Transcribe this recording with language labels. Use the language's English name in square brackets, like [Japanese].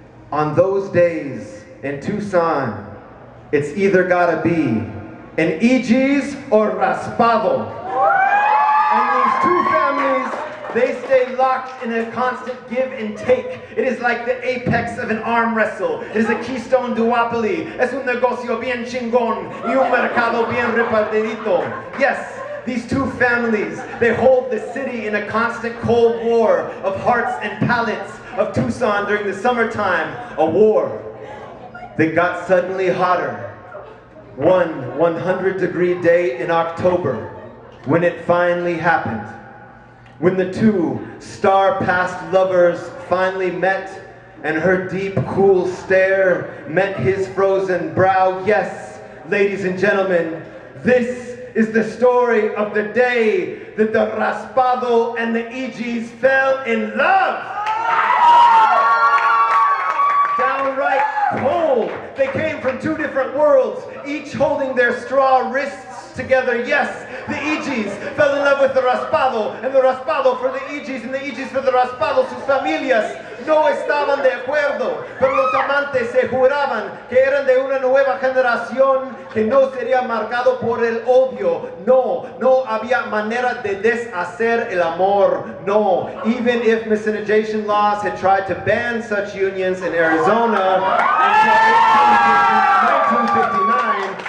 [English] On those days in Tucson, it's either gotta be an EG's or Raspado. And these two families, they stay locked in a constant give and take. It is like the apex of an arm wrestle. It is a keystone duopoly. [Spanish] Es un negocio bien chingón y un mercado bien repartidito. [English] Yes. These two families, they hold the city in a constant cold war of hearts and palates of Tucson during the summertime, a war that got suddenly hotter. One 100 degree day in October, when it finally happened. When the two star-passed lovers finally met, and her deep, cool stare met his frozen brow. Yes, ladies and gentlemen, this is the story of the day that the Raspado and the EGs fell in love. Downright cold. They came from two different worlds, each holding their straw wrists together. Yes, the EGs fell in love with the Raspado, and the Raspado for the EGs, and the EGs for the Raspado. [Spanish] Sus familias no estaban de acuerdo, pero los amantes se juraban que eran de una nueva generación que no sería marcado por el odio. No, no había manera de deshacer el amor. [English] No, even if miscegenation laws had tried to ban such unions in Arizona until 1959.